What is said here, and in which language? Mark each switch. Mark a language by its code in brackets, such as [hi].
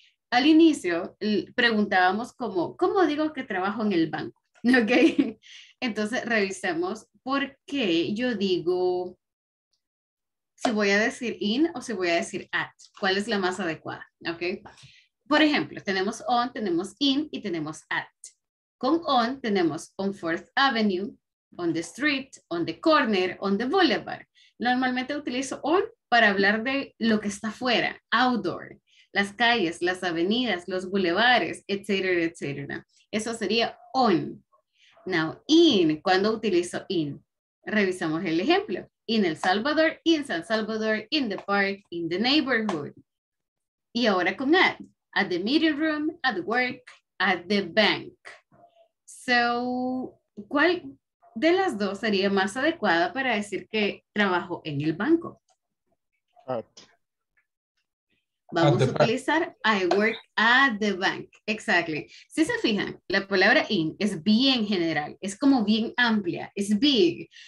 [es] Al inicio, preguntábamos como, ¿cómo digo que trabajo en el banco? ¿Ok? Entonces, revisemos por qué yo digo, si voy a decir in o si voy a decir at, ¿cuál es la más adecuada? ¿Ok? Por ejemplo, tenemos on, tenemos in y tenemos at. Con on tenemos [en] on 4th Avenue, on the street, on the corner, on the boulevard. [es] Normalmente utilizo on para hablar de lo que está afuera, outdoor, las calles, las avenidas, los bulevares, etcétera, etcétera. Eso sería on. Now, in, ¿cuándo utilizo in? Revisamos el ejemplo. [en] In El Salvador, in San Salvador, in the park, in the neighborhood. [es] Y ahora con [en] at the meeting room, at work, at the bank. [es] So, ¿cuál de las dos sería más adecuada para decir que trabajo en el banco? [en] At. [es] Vamos a utilizar [en] I work at the bank. Exactly. [es] Si se fijan, la palabra in es bien general, es como bien amplia, es big.